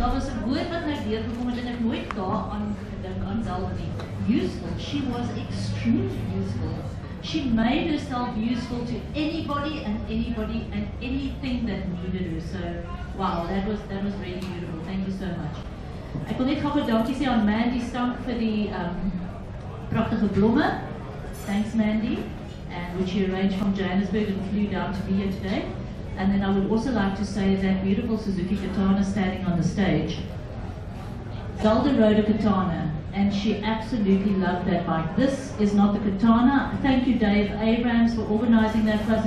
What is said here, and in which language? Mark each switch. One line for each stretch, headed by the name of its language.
Afrikaans: Daar was 'n woord wat my deur gekom het en ek nooit daaraan gedink aan Zelda nie.
English: Useful. She was extremely useful. She made herself useful to anybody and anybody and anything that needed her. So, wow, that was really beautiful. Thank you so much.
Afrikaans: Ek wil net gou dankie sê aan Mandy Stank vir die pragtige blomme.
English: Thanks Mandy, and which she arranged from Johannesburg and flew down to be here today. And then I would also like to say that beautiful Suzuki katana standing on the stage. Zelda rode a katana, and she absolutely loved that bike. This is not the katana. Thank you Dave Abrams for organizing that for us.